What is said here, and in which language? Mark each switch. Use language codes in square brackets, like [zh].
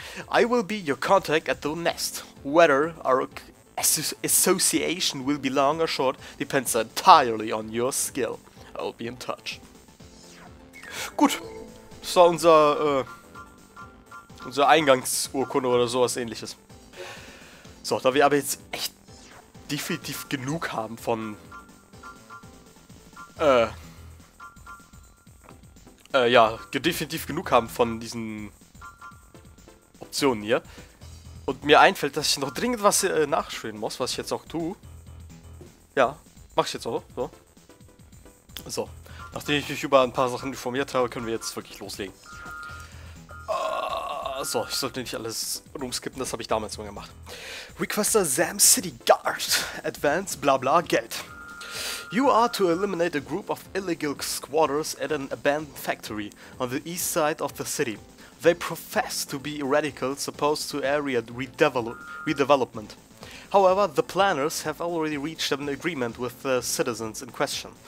[en] I will be your contact at the Nest. Whether our association will be long or short depends entirely on your skill. I'll be in touch. [de] Gut, das war unser Eingangsurkunde oder sowas ähnliches. So, da wir aber jetzt echt definitiv genug haben von, definitiv genug haben von diesen Optionen hier. Und mir einfällt, dass ich noch dringend was nachspielen muss, was ich jetzt auch tue. Ja, mach ich jetzt auch so. So. Nachdem ich mich über ein paar Sachen informiert habe, können wir jetzt wirklich loslegen. So, ich sollte nicht alles rumskippen, das habe ich damals schon gemacht. [en] Requester Sam City Guard. Advance, bla bla, Geld. You are to eliminate a group of illegal squatters at an abandoned factory on the east side of the city. They profess to be radicals opposed to area redevelopment. However, the planners have already reached an agreement with the citizens in question.